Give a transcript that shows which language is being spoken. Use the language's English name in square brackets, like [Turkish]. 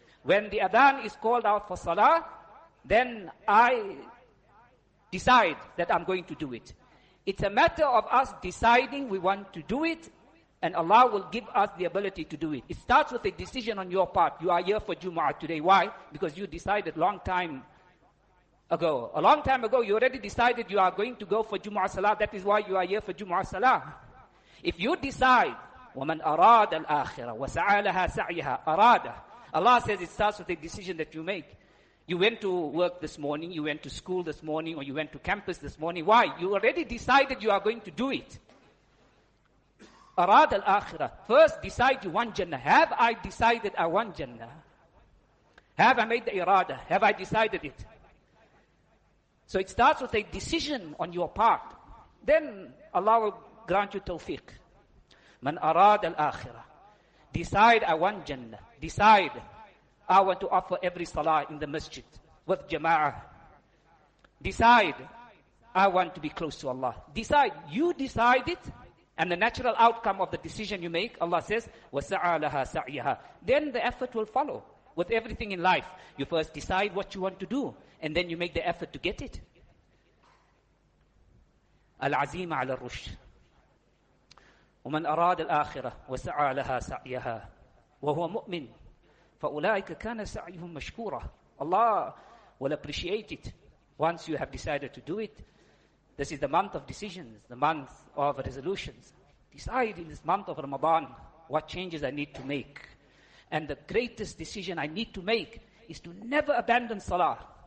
[English] When the adhan is called out for salah, then I decide that I'm going to do it. It's a matter of us deciding we want to do it, And Allah will give us the ability to do it. It starts with a decision on your part. You are here for Jumu'ah today. Why? Because you decided long time ago. A long time ago, you already decided you are going to go for Jumu'ah Salah. That is why you are here for Jumu'ah Salah. If you decide, [Arabic] وَمَنْ أَرَادَ الْآخِرَةَ وَسَعَى لَهَا سَعْيَهَا أَرَادَ. [English] Allah says it starts with a decision that you make. You went to work this morning, you went to school this morning, or you went to campus this morning. Why? You already decided you are going to do it. [Arabic] أَرَادَ الْآخِرَةَ. [English] First decide you want Jannah. Have I decided I want Jannah? Have I made the irada? Have I decided it? So it starts with a decision on your part. Then Allah will grant you tawfiq. [Arabic] Man arad al-akhirah. [English] Decide I want Jannah. Decide I want to offer every salah in the masjid with jama'ah. Decide I want to be close to Allah. Decide. You decide it. And the natural outcome of the decision you make, Allah says, [Arabic] وَسَعَى لَهَا سَعْيَهَا. [English] Then the effort will follow. With everything in life, you first decide what you want to do, and then you make the effort to get it. [Arabic] العزيمة على الرشد. ومن أراد الآخرة وسعى لها سعيها وهو مؤمن فأولئك كان سعيهم مشكورا. [English] Allah will appreciate it once you have decided to do it. This is the month of decisions, the month of resolutions. Decide in this month of Ramadan what changes I need to make. And the greatest decision I need to make is to never abandon Salah.